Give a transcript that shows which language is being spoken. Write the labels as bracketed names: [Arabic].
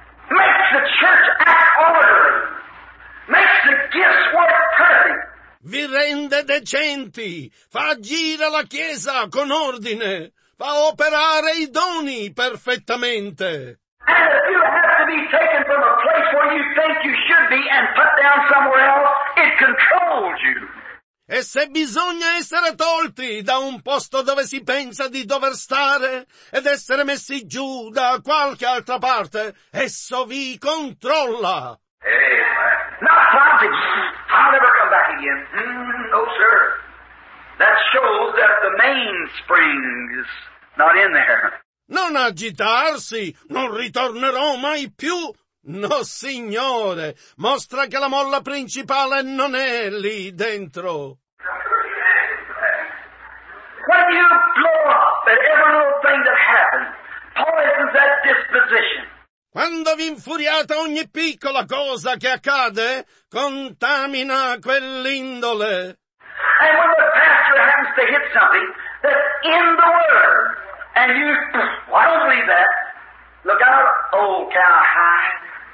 [English] Makes the church act orderly. Makes the gifts work perfectly. [Italian] Vi rende decenti, fa agire la Chiesa con ordine, fa operare i doni perfettamente. [English] And if you have to be taken from a place where you think you should be and put down somewhere else, it controls you. [Italian] E se bisogna essere tolti da un posto dove si pensa di dover stare ed essere messi giù da qualche altra parte, esso vi controlla. [English] Not prompting. I'll never come back again. No, sir. That shows that the mainspring is not in there. [Italian] Non agitarsi. Non ritornerò mai più. No, signore. Mostra che la molla principale non è lì dentro. [English] When you blow up at every little thing that happens, poisons that disposition. [Italian] Quando vi infuriate ogni piccola cosa che accade, contamina quell'indole. [English] And when the pastor happens to hit something that's in the Word, and you, why don't you leave that? Look out, old cow hide.